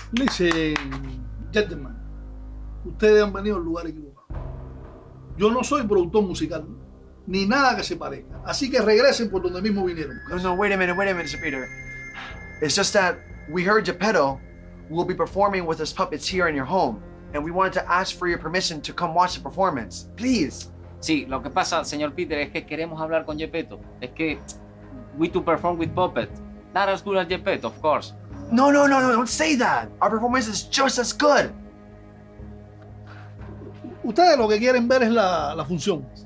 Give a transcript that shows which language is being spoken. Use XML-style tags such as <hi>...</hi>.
<en>Listen, gentlemen,</en> <es>ustedes han venido al lugar equivocado. Yo no soy productor musical, ni nada que se parezca. Así que regresen por donde mismo vinieron.</es> <en>No, no, wait a minute, Mr. Peter. It's just that we heard Geppetto will be performing with his puppets here in your home. And we wanted to ask for your permission to come watch the performance. Please.</en> <es>Sí, lo que pasa, señor Peter, es que queremos hablar con Geppetto. Es que</es> <en>we to perform with puppets. Not as good as Geppetto, of course. No, no, no, no, don't say that. Our performance is just as good.</en> <es>Ustedes lo que quieren ver es la función.</es>